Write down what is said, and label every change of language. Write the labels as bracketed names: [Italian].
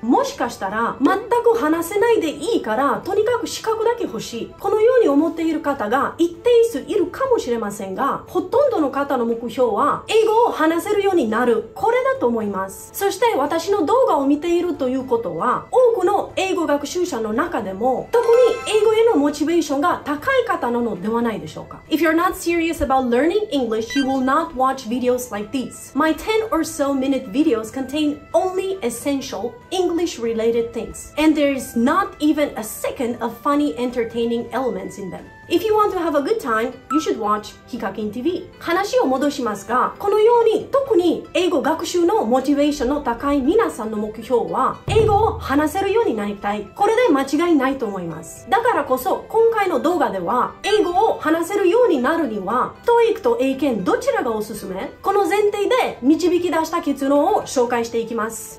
[Japanese] もしかしたら全く話せないでいいからとにかく資格だけ欲しい、このように思っている方が一定数いるかもしれませんが、ほとんどの方の目標は英語を話せるようになる、これだと思います。そして私の動画を見ているということは、多くの英語学習者の中でも特に英語へのモチベーションが高い方なのではないでしょうか。 [English] If you're not serious about learning English, you will not watch videos like these. My 10 or so minute videos contain only essential English related things, and there is not even a second of funny entertaining elements in them. If you want to have a good time, you should watch Hikakin TV. [Japanese] 話を戻しますが、このように特に英語学習のモチベーションの高い皆さんの目標は英語を話せるようになりたい、これで間違いないと思います。だからこそ今回の動画では、英語を話せるようになるには TOEIC と英検どちらがおすすめ、この前提で導き出した結論を紹介していきます。